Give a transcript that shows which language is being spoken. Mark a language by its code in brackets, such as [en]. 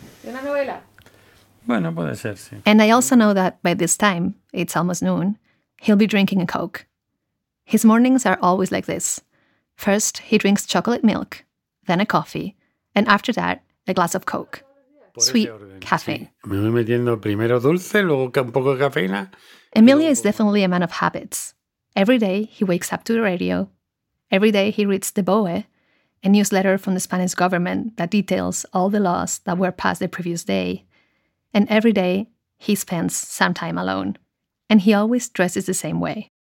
[es] ¿De una novela? Bueno, puede ser, sí. [en] And I also know that by this time, it's almost noon, he'll be drinking a Coke. His mornings are always like this. First, he drinks chocolate milk, then a coffee, and after that, a glass of Coke. Sweet caffeine. [es] Sí. Me voy metiendo primero dulce, luego un poco de cafeína. [en] Emilio is definitely a man of habits. Every day, he wakes up to the radio. Every day, he reads the BOE, a newsletter from the Spanish government that details all the laws that were passed the previous day. And every day, he spends some time alone. And he always dresses the same way.